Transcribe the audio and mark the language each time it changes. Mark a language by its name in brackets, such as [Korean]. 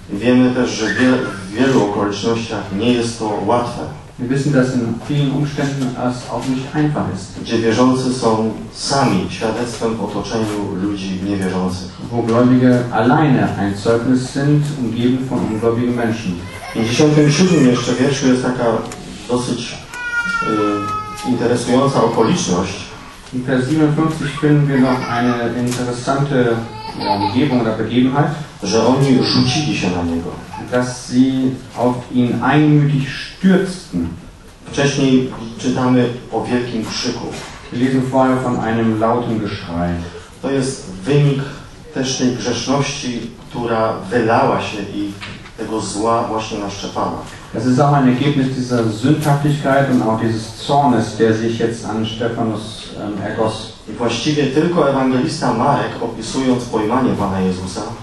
[Polish] Wiemy też, że w wielu okolicznościach nie jest to łatwe. [German] Wir wissen, dass in vielen Umständen es auch nicht einfach ist. [Polish] Gdzie wierzący są sami świadectwem w otoczeniu ludzi niewierzących. [German] Wo Gläubige alleine ein Zeugnis sind, umgeben von ungläubigen Menschen. [Polish] W 57 jeszcze wierszu jest taka dosyć interesująca okoliczność. [German] In Vers 57 finden wir noch eine interessante Umgebung oder Begebenheit. [Polish] Że oni rzucili się na niego. [German] Dass sie auf ihn einmütig stürzten. [Polish] Wcześniej czytamy o wielkim krzyku. [German] Wir lesen vorher von einem lauten Geschrei. [Polish] To jest wynik też tej grzeszności, która wylała się i tego zła właśnie na Szczepana. [German] Das ist auch ein Ergebnis dieser Sündhaftigkeit und auch dieses Zornes, der sich jetzt an Stephanus ergoss. [Polish] I właściwie tylko Ewangelista Marek, opisując pojmanie Pana Jezusa,